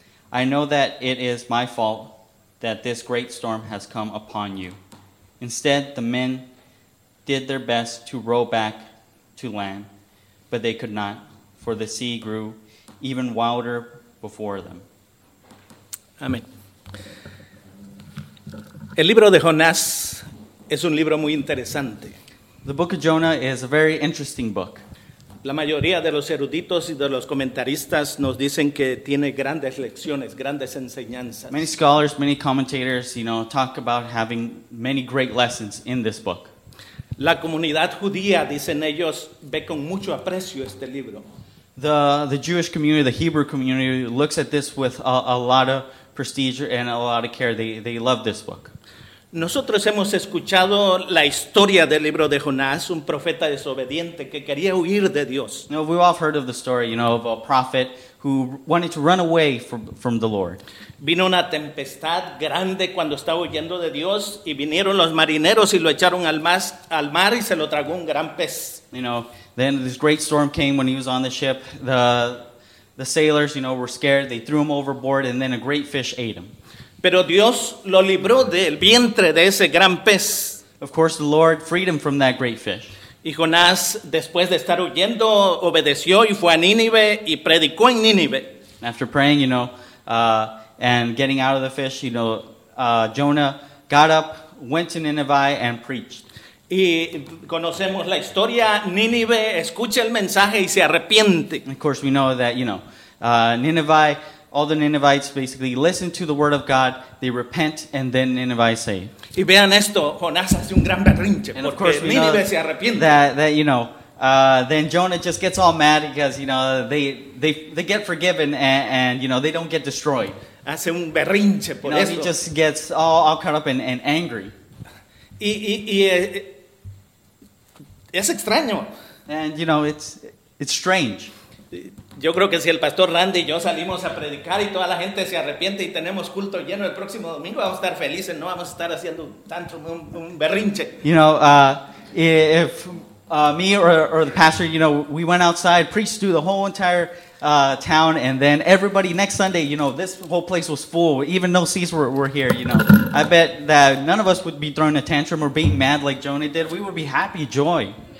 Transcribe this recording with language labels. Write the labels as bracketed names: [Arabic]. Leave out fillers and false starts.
[English] I know that it is my fault that this great storm has come upon you." Instead, the men did their best to row back to land, but they could not, for the sea grew even wilder before them. [Spanish] Amén. El libro de Jonás es un libro muy interesante. [English] The book of Jonah is a very interesting book. [Spanish] La mayoría de los eruditos y de los comentaristas nos dicen que tiene grandes lecciones, grandes enseñanzas. [English] Many scholars, many commentators, you know, talk about having many great lessons in this book. [Spanish] La comunidad judía, dicen ellos, ve con mucho aprecio este libro. [English] The Jewish community, the Hebrew community, looks at this with a lot of prestige and a lot of care. They love this book. [Spanish] Nosotros hemos escuchado la historia del libro de Jonás, un profeta desobediente que quería huir de Dios. [English] Now, we've all heard of the story, you know, of a prophet who wanted to run away from the Lord. [Spanish] Vino una tempestad grande cuando estaba huyendo de Dios y vinieron los marineros y lo echaron al mar y se lo tragó un gran pez. [English] You know, then this great storm came when he was on the ship. The sailors, you know, were scared. They threw him overboard and then a great fish ate him. [Spanish] Pero Dios lo libró del vientre de ese gran pez. [English] Of course, the Lord freed him from that great fish. [Spanish] Y Jonás, después de estar huyendo, obedeció y fue a Nínive y predicó en Nínive. [English] After praying, you know, and getting out of the fish, you know, Jonah got up, went to Nineveh and preached. [Spanish] Y conocemos la historia, Nínive escucha el mensaje y se arrepiente. [English] Of course, we know that, you know, Nineveh, all the Ninevites basically listen to the word of God, they repent, and then Nineveh is saved. [Spanish] Y vean esto, Jonás hace un gran berrinche, and porque Nínive se arrepiente. [English] That you know, then Jonah just gets all mad because, you know, they get forgiven and, you know, they don't get destroyed. [Spanish] Hace un berrinche por [English] you know, [Spanish] esto. [English] He just gets all caught up and angry. [Spanish] Y es extraño. [English] And, you know, it's strange. [Spanish] Yo creo que si el pastor Randy y yo salimos a predicar y toda la gente se arrepiente y tenemos culto lleno el próximo domingo, vamos a estar felices, no vamos a estar haciendo tanto un berrinche. [English] You know, if me or the pastor, you know, we went outside, preached through the whole entire town, and then everybody next Sunday, you know, this whole place was full, even no seats were here, you know. I bet that none of us would be throwing a tantrum or being mad like Jonah did. We would be happy, joy.